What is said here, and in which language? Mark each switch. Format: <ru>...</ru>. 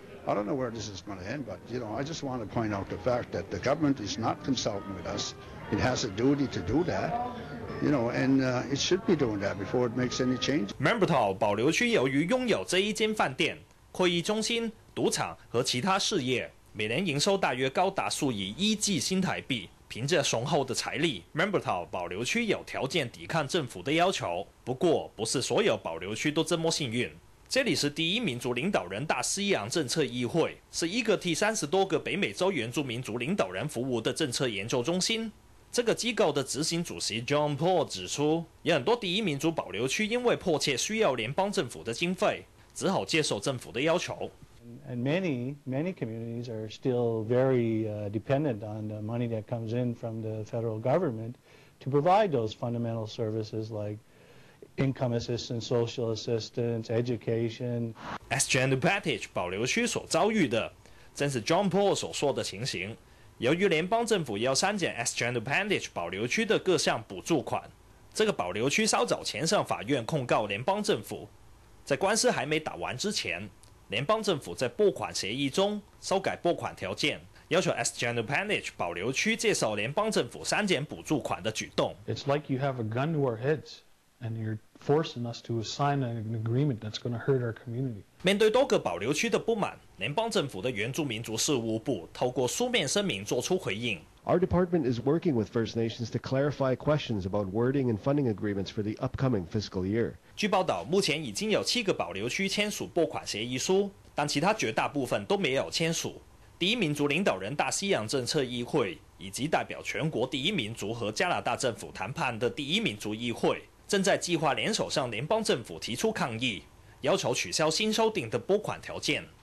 <en>I don't know where this is going to end, but you know, I just want to point out the fact that the government is not consulting with us. It has a duty to do that, you know, and it should be doing that before it makes any change.</en> <zh>Manitoba 保留区由于拥有这一间饭店、会议中心、赌场和其他事业，每年营收大约高达数以1亿新台币。凭着雄厚的财力 ，Manitoba 保留区有条件抵抗政府的要求。不过，不是所有保留区都这么幸运。这里是第一民族领导人大西洋政策议会，是一个替30多个北美洲原住民族领导人服务的政策研究中心。这个机构的执行主席 John Paul 指出，有很多第一民族保留区因为迫切需要联邦政府的经费，只好接受政府的要求。</zh> <en>And many communities are still very dependent on the money that comes in from the federal government to provide those fundamental services like. Income assistance, social assistance, education.</en> <zh>As Jane Patich 保留区所遭遇的，正是 John Paul 所说的情形。由于联邦政府要删减 As Jane Patich 保留区的各项补助款，这个保留区稍早前向法院控告联邦政府。在官司还没打完之前，联邦政府在拨款协议中修改拨款条件。要求 As Jane Patich 保留区接受联邦政府删减补助款的举动。</zh> <en>It's like you have a gun to our heads. And you're forcing us to sign an agreement that's going to hurt our community.</en> <zh>面对多个保留区的不满，联邦政府的原住民族事务部透过书面声明做出回应。</zh> <en>Our department is working with First Nations to clarify questions about wording and funding agreements for the upcoming fiscal year.</en> <zh>据报道，目前已经有7个保留区签署拨款协议书，但其他绝大部分都没有签署。第一民族领导人大西洋政策议会以及代表全国第一民族和加拿大政府谈判的第一民族议会。正在计划联手向联邦政府提出抗议，要求取消新修订的拨款条件。</zh>